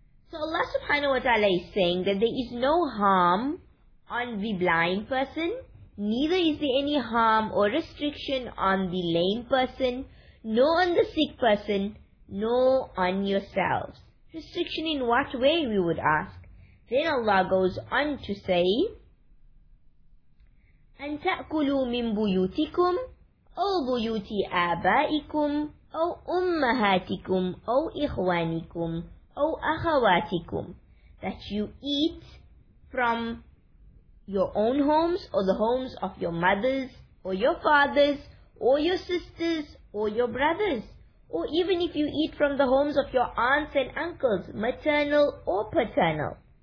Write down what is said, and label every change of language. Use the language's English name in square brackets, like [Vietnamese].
[English] So Allah subhanahu wa ta'ala is saying that there is no harm on the blind person, neither is there any harm or restriction on the lame person, nor on the sick person, nor on yourselves. Restriction in what way, we would ask. Then Allah goes on to say, [Arabic] أن تأكلوا من بيوتكم أو بيوت آبائكم أو أمهاتكم أو إخوانكم أو أخواتكم. [English] That you eat from your own homes or the homes of your mothers or your fathers or your sisters or your brothers. Or even if you eat from the homes of your aunts and uncles, maternal or paternal.